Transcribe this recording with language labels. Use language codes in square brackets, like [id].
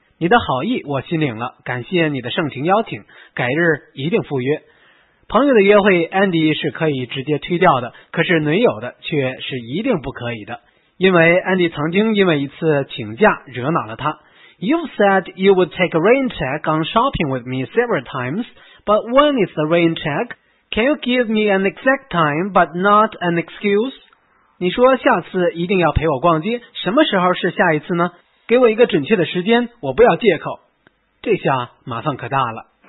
[zh] 你的好意我心领了，感谢你的盛情邀请，改日一定赴约。朋友的约会 Andy 是可以直接推掉的，可是女友的却是一定不可以的，因为 Andy 曾经因为一次请假惹恼了他。 [en] You've said you would take a rain check on shopping with me several times, but when is the rain check? Can you give me an exact time but not an excuse? [zh] 你说下次一定要陪我逛街，什么时候是下一次呢？给我一个准确的时间，我不要借口。这下麻烦可大了。